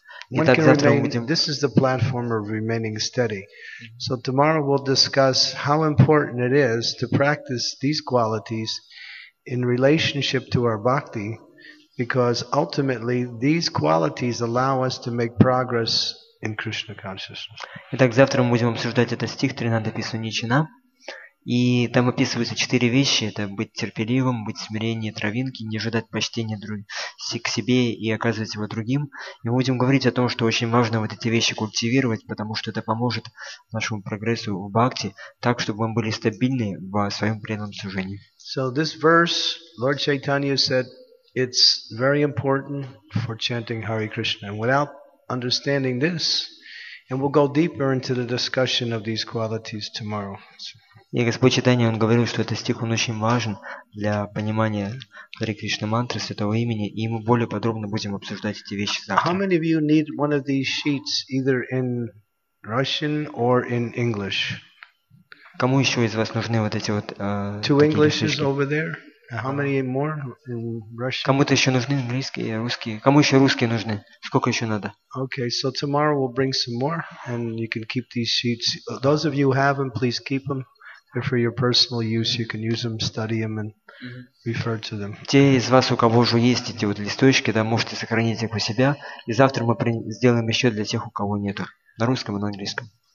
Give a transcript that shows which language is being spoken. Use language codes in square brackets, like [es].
[en] One can remain, this is the platform of remaining steady. So tomorrow we'll discuss how important it is to practice these qualities in relationship to our bhakti, because ultimately these qualities allow us to make progress in Krishna consciousness. [ru] Итак, завтра мы будем обсуждать этот стих Тринадапи Суничина, и там описываются четыре вещи: это быть терпеливым, быть в смирении травинки, не ожидать почтения к себе и оказывать его другим. И мы будем говорить о том, что очень важно вот эти вещи культивировать, потому что это поможет нашему прогрессу в бхакти, так чтобы мы были стабильны в своем преданном служении. [en] So this verse, Lord Chaitanya said, it's very important for chanting Hare Krishna. And without understanding this, and we'll go deeper into the discussion of these qualities tomorrow. [ru] И Господь Чайтанья, он говорил, что этот стих, он очень важен для понимания Хари Кришна мантры, Святого Имени, и мы более подробно будем обсуждать эти вещи завтра. [en] How many of you need one of these sheets, either in Russian or in English? [ru] Кому еще из вас нужны вот эти вот [en] Two Englishes over there? How many more in Russian? [ru] Кому-то еще нужны английские, русские? Кому еще русские нужны? Сколько еще надо? [en] Okay, so tomorrow we'll bring some more, and you can keep these sheets. Those of you who have them, please keep them. They're for your personal use. You can use them, study them, and refer to them. [ru] Те из вас, у кого уже есть эти вот листочки, да, можете сохранить их у себя, и завтра мы сделаем еще для тех, у кого нет, на русском и на английском.